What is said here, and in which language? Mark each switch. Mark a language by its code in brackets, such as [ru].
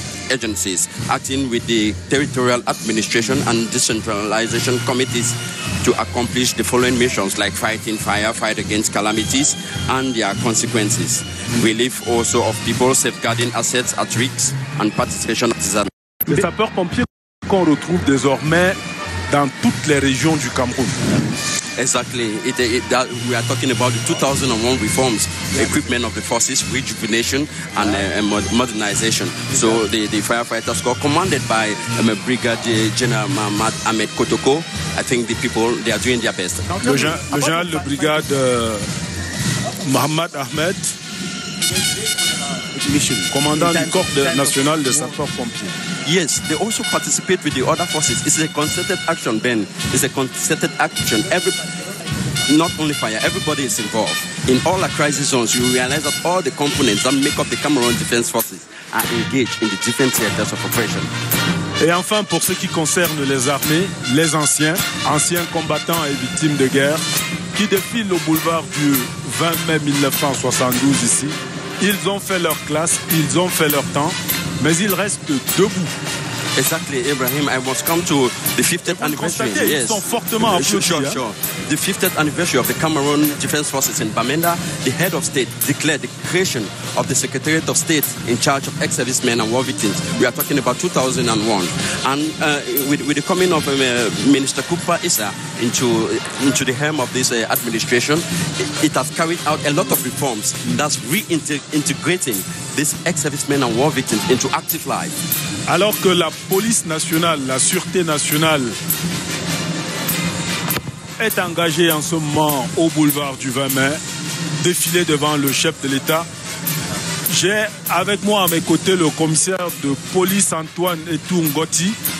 [en] agencies acting with the territorial administration and decentralization committees to accomplish the following missions like fighting fire, fight against calamities and their consequences, relief also of people, safeguarding assets at risk and participation in disaster. [fr] Les sapeurs-pompiers qu'on retrouve désormais dans toutes les régions du Cameroun. [en] Exactly. We are talking about the 2001 reforms, equipment of the forces, rejuvenation, and modernization. So the firefighters corps, commanded by Brigadier General Mahmoud Ahmed Kotoko, I think the people, they are doing their best. [fr] Le général de brigade Mahmoud Ahmed, commandant du corps national de sapeurs-pompiers. [en] Yes, they also participate with the other forces. It's a concerted action, Ben. It's a concerted action. Not only fire, everybody is involved. In all our crisis zones, you realize that all the components that make up the Cameroon Defense Forces are engaged in the different theaters of operation. [fr] Et enfin, pour ce qui concerne les armées, les anciens combattants et victimes de guerre, qui défilent au boulevard du 20 mai 1972 ici, ils ont fait leur classe, ils ont fait leur temps, mais ils restent debout. [en] Exactly, Ibrahim, I must come to the 50th anniversary. Yes, The 50th anniversary of the Cameroon Defense Forces in Bamenda, the head of state declared the creation of the Secretariat of State in charge of ex-servicemen and war victims. We are talking about 2001. And with the coming of Minister Kupa Issa into the helm of this administration, it has carried out a lot of reforms that's reintegrating these ex-servicemen and war victims into active life. [fr] Alors que la police nationale, la sûreté nationale est engagée en ce moment au boulevard du 20 mai, défilé devant le chef de l'État, j'ai avec moi à mes côtés le commissaire de police Antoine Etou Ngoti.